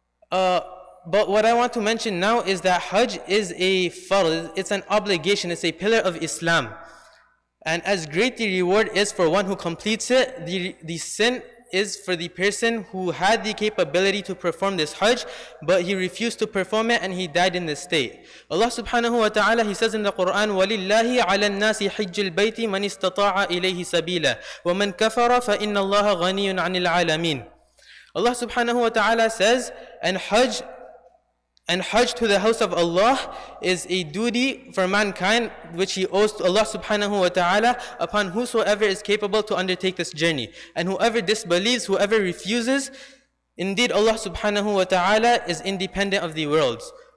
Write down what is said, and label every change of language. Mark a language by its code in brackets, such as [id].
[en] But what I want to mention now is that Hajj is a farz, it's an obligation, it's a pillar of Islam. And as great the reward is for one who completes it, the sin is for the person who had the capability to perform this Hajj, but he refused to perform it and he died in this state. Allah subhanahu wa ta'ala, he says in the Quran, [ar] وَلِلَّهِ عَلَى النَّاسِ حِجُّ الْبَيْتِ مَنِ اسْتَطَاعَ إِلَيْهِ سَبِيلًا وَمَنْ كَفَرَ فَإِنَّ اللَّهَ غَنِيٌّ عَنِ الْعَالَمِينَ. [en] Allah subhanahu wa ta'ala says, and Hajj to the house of Allah is a duty for mankind which he owes to Allah subhanahu wa ta'ala upon whosoever is capable to undertake this journey. And whoever disbelieves, whoever refuses, indeed Allah subhanahu wa ta'ala is independent of the worlds.